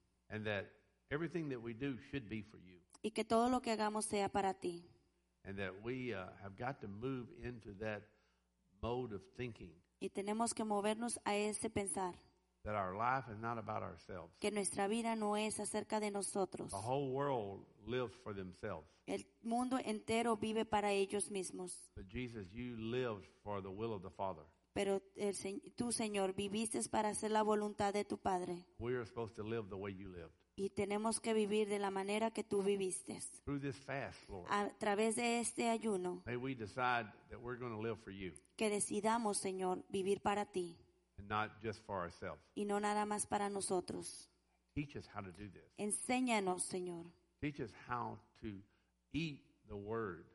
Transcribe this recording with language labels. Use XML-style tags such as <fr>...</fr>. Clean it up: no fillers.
<en>And that everything that we do should be for you.</en> <es>Y que todo lo que hagamos sea para ti.</es> <en>And that we have got to move into that mode of thinking.</en> <es>Y tenemos que movernos a ese pensar.</es> <en>That our life is not about ourselves.</en> <es>Que nuestra vida no es acerca de nosotros.</es> <en>The whole world lives for themselves.</en> <es>El mundo entero vive para ellos mismos.</es> <en>But Jesus, you lived for the will of the Father.</en> <es>Pero tú, Señor, viviste para hacer la voluntad de tu Padre.</es> <en>We are supposed to live the way you lived.</en> <es>Y tenemos que vivir de la manera que tú viviste.</es> <en>Through this fast, Lord.</en> <es>A través de este ayuno.</es> <en>May we decide that we're going to live for you.</en> <es>Que decidamos, Señor, vivir para ti.</es> <en>And not just for ourselves.</en> <es>Y no nada más para nosotros.</es> <en>Teach us how to do this.</en> <es>Enséñanos, Señor.</es> <en>Teach us how to eat the word.</en>